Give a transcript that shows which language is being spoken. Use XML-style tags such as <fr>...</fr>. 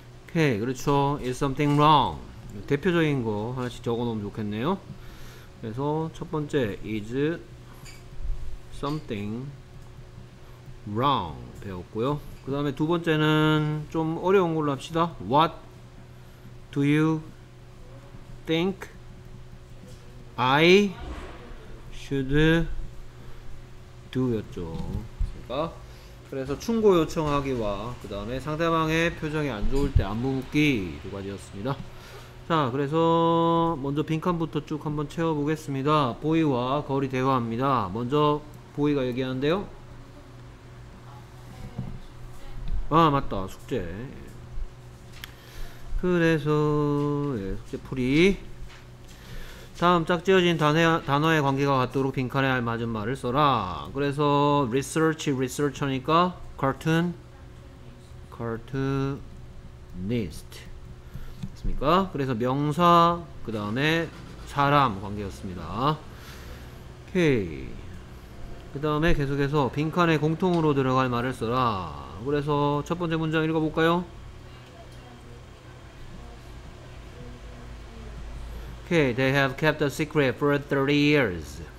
<ko>오케이, 그렇죠.</ko> <en>Is something wrong?</en> <ko>대표적인 거 하나씩 적어놓으면 좋겠네요. 그래서 첫 번째,</ko> <en>Is something wrong?</en> <ko>배웠고요. 그 다음에 두 번째는 좀 어려운 걸로 합시다.</ko> <en>What do you think I should do</en> <ko>였죠. 그러니까 그래서 충고 요청하기와 그 다음에 상대방의 표정이 안 좋을 때 안 묻기 두 가지였습니다. 자, 그래서 먼저 빈칸부터 쭉 한번 채워보겠습니다. 보이와 거울이 대화합니다. 먼저 보이가 얘기하는데요. 아, 맞다. 숙제. 그래서 예, 숙제 풀이. 다음 짝지어진 단어의 관계가 같도록 빈칸에 알맞은 말을 써라. 그래서 research, researcher니까 cartoon, cartoonist 됐습니까? 그래서 명사, 그 다음에 사람 관계였습니다. 오케이. 그 다음에 계속해서 빈칸에 공통으로 들어갈 말을 써라. 그래서 첫 번째 문장 읽어볼까요?</ko> <en>오케이, okay, they have kept a secret for 30 years.</en>